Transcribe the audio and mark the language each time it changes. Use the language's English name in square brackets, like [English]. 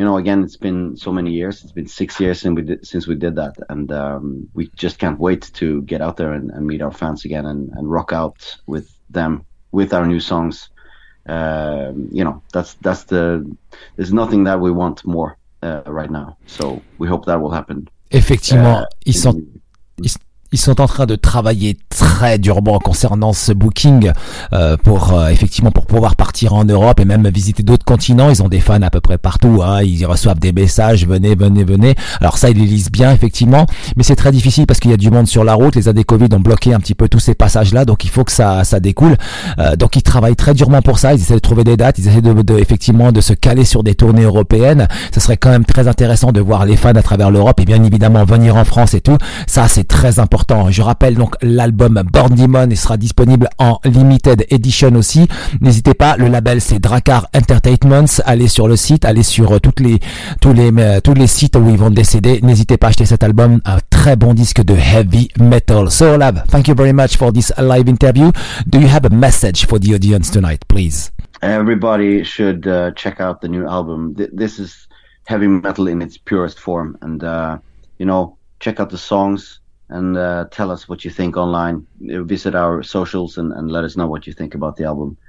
[English] You know, again, it's been so many years; it's been 6 years since we did that, and we just can't wait to get out there and meet our fans again and rock out with them with our new songs. You know, there's nothing that we want more. Right now, so we hope that will happen. [French] Effectivement, ils sont en train de travailler très durement concernant ce booking pour pouvoir partir en Europe et même visiter d'autres continents. Ils ont des fans à peu près partout, hein. Ils reçoivent des messages, venez, venez, venez. Alors ça, ils les lisent bien, effectivement, mais c'est très difficile parce qu'il y a du monde sur la route. Les années Covid ont bloqué un petit peu tous ces passages-là, donc il faut que ça découle. Donc ils travaillent très durement pour ça. Ils essaient de trouver des dates, ils essaient de se caler sur des tournées européennes. Ça serait quand même très intéressant de voir les fans à travers l'Europe et bien évidemment venir en France et tout. Ça, c'est très important. Je rappelle donc l'album Born Demon sera disponible en limited edition aussi. N'hésitez pas, le label c'est Drakkar Entertainments. Allez sur le site, allez sur tous les sites où ils vont décéder. N'hésitez pas à acheter cet album, un très bon disque de heavy metal. [English] So Olav, thank you very much for this live interview. Do you have a message for the audience tonight, please? Everybody should check out the new album. This is heavy metal in its purest form, and you know, check out the songs. And tell us what you think online. Visit our socials and let us know what you think about the album.